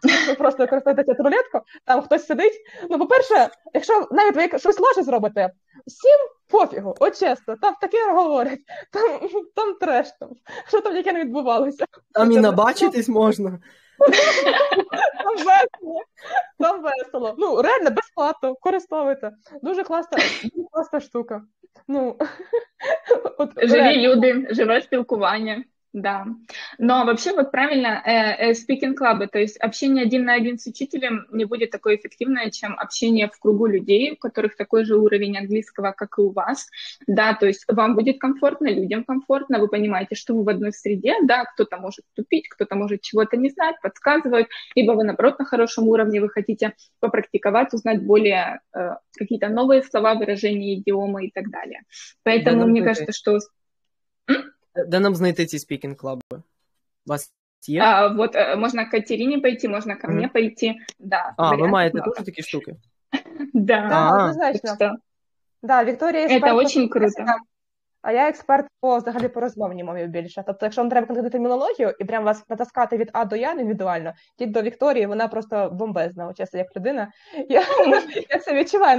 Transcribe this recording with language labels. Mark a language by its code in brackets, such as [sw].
[uk] Ви просто використовуєте чат-рулетку, там хтось сидить. Ну, по-перше, якщо навіть ви щось ложе зробите, всім пофігу, от чесно, там таке говорять, там треш, там, що там яке не відбувалося. Там і набачитись можна. Там весело, там весело. Ну, реально, безплатно, користовуйте. Дуже класна штука. Ну, от, живі люди, живе спілкування. Да. [ru] Но вообще вот правильно, speaking club, то есть общение один на один с учителем не будет такое эффективное, чем общение в кругу людей, у которых такой же уровень английского, как и у вас. Да, то есть вам будет комфортно, людям комфортно, вы понимаете, что вы в одной среде, да, кто-то может тупить, кто-то может чего-то не знать, подсказывают, либо вы, наоборот, на хорошем уровне, вы хотите попрактиковать, узнать более какие-то новые слова, выражения, идиомы и так далее. Поэтому мне кажется, что... [uk] Де нам знайти ці спікінг-клаби? У вас є? [ru] А, вот, [uk] можна [ru] к Катерине пойти, можна ко мне пойти. Да, [uk] а, ви маєте теж такі штуки? Да. Да, однозначно. Да, Вікторія експерт. Це дуже круто. А я експерт по взагалі по розмовній мові більше. Тобто, якщо вам треба конкретну термінологію і прям вас натаскати від А до Я індивідуально, тіть до Вікторії, вона просто бомбезна, чесно, як людина. Я це відчуваю.